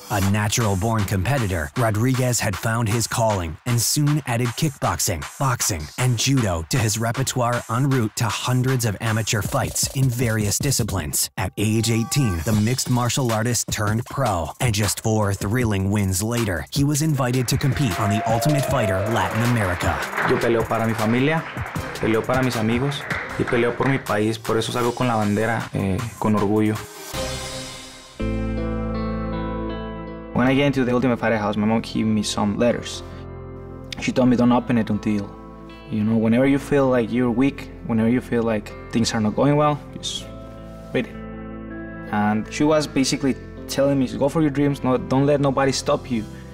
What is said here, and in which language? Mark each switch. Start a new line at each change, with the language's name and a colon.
English: A natural-born competitor, Rodriguez had found his calling and soon added kickboxing, boxing, and judo to his repertoire en route to hundreds of amateur fights in various disciplines. At age 18, the mixed martial artist turned pro, and just 4 thrilling wins later, he was invited to compete on the Ultimate Fighter Latin America.
Spanish: Yo peleo para mi familia, peleo para mis amigos, y peleo por mi país, por eso salgo con la bandera, con orgullo.
English: When I get into the Ultimate Fighter house, my mom gave me some letters. She told me, don't open it until, you know, whenever you feel like you're weak, whenever you feel like things are not going well, just read it. And she was basically telling me, go for your dreams, don't let nobody stop you.